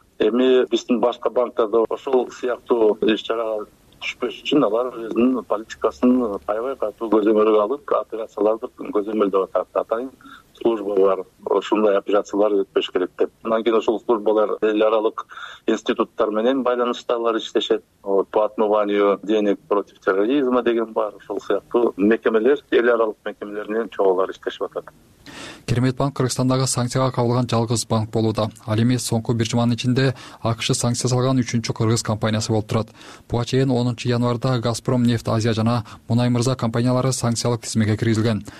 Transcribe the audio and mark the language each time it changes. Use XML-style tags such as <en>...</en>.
<ky>Эми биздин башка банктарда ошол сыяктуу иш чарага түшпөш үчүн алар өзүнүн политикасын аябай катуу көзөмөлгө алып, операцияларды көзөмөлдөп атат. Атайын службалар ушундай операциялар өтпөш керек деп. Андан кийин ошол службалар эл аралык институттар менен байланыштагылар иштешет.</ky> <ru>По отмыванию денег против терроризма</ru> <ky>деген бар. Ошол сыяктуу мекемелер эл аралык мекемелер менен чогулар иштешип атат. Керемет банк Кыргызстандагы санкцияга кабылган жалгыз банк болууда. Ал эми соңку бир жуманын ичинде АКШ санкция салган үчүнчү кыргыз компаниясы болуп турат. Буга чейин 10 январда Газпром Нефть Азия жана Мунай Мырза компаниялары санкциялык тизмеге киргизилген.</ky>